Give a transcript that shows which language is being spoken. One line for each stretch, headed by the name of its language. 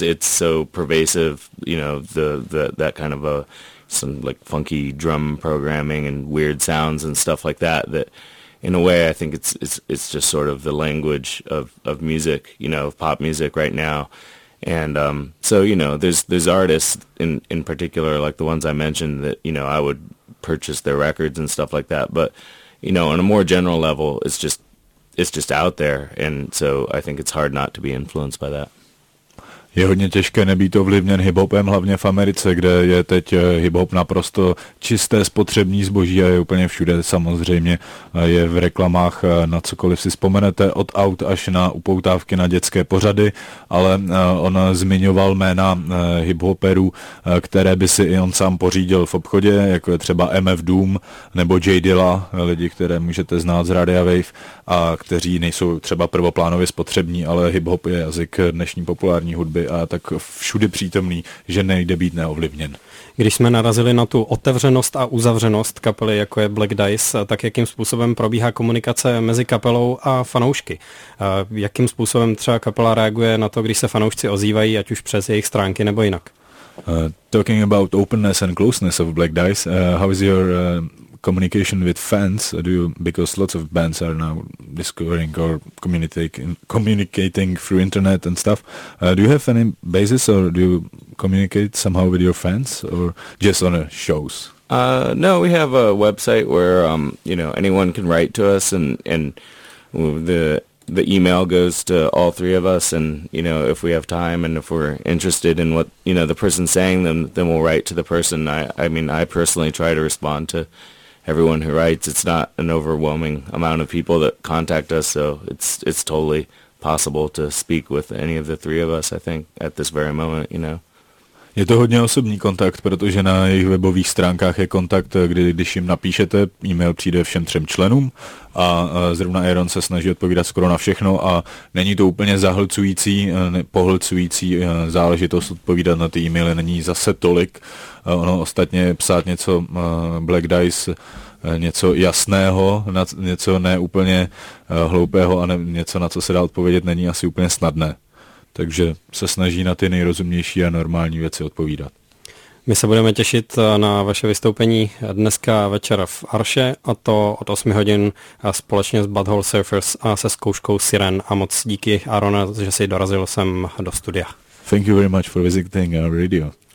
English: It's so pervasive, you know, that kind of some like funky drum programming and weird sounds and stuff like that, that in a way I think it's just sort of the language of music, you know, of pop music right now. And so, you know, there's artists in particular, like the ones I mentioned, that, you know, I would purchase their records and stuff like that, but, you know, on a more general level, it's just it's just out there, and so I think it's hard not to be influenced by that.
Czech: Je hodně těžké nebýt ovlivněn hip-hopem, hlavně v Americe, kde je teď hip-hop naprosto čisté spotřební zboží a je úplně všude, samozřejmě je v reklamách na cokoliv si vzpomenete, od aut až na upoutávky na dětské pořady, ale on zmiňoval jména hip-hoperů, které by si i on sám pořídil v obchodě, jako je třeba MF Doom nebo J Dilla, lidi, které můžete znát z Radia Wave a kteří nejsou třeba prvoplánově spotřební, ale hip-hop je jazyk dnešní populární hudby a tak všudy přítomný, že nejde být neovlivněn. Když jsme narazili na tu otevřenost a uzavřenost kapely, jako je Black Dice, tak jakým způsobem probíhá komunikace mezi kapelou a fanoušky? Jakým způsobem třeba kapela reaguje na to, když se fanoušci ozývají, ať už přes jejich stránky nebo jinak?
English: Talking about openness and closeness of Black Dice, how is your communication with fans? Do you, because lots of bands are now discovering or communicating through internet and stuff. Do you have any basis, or do you communicate somehow with your fans, or just on shows? No, we have a website where you know, anyone can write to us, and the email goes to all three of us, and you know, if we have time and if we're interested in what, you know, the person's saying, then we'll write to the person. I mean, I personally try to respond to everyone who writes. It's not an overwhelming amount of people that contact us, so it's totally possible to speak with any of the three of us, I think, at this very moment, you know.
Czech: Je to hodně osobní kontakt, protože na jejich webových stránkách je kontakt, kdy když jim napíšete, e-mail přijde všem třem členům a zrovna Aaron se snaží odpovídat skoro na všechno a není to úplně pohlcující záležitost odpovídat na ty e-maily, není zase tolik. Ono ostatně psát něco Black Dice, něco jasného, něco neúplně hloupého a něco, na co se dá odpovědět, není asi úplně snadné. Takže se snaží na ty nejrozumnější a normální věci odpovídat. My se budeme těšit na vaše vystoupení dneska večer v Arše, a to od 8 hodin společně s Butthole Surfers a se zkouškou Siren. A moc díky, Aaron, že jsi dorazil sem do studia.
English: Thank you very much for visiting our radio.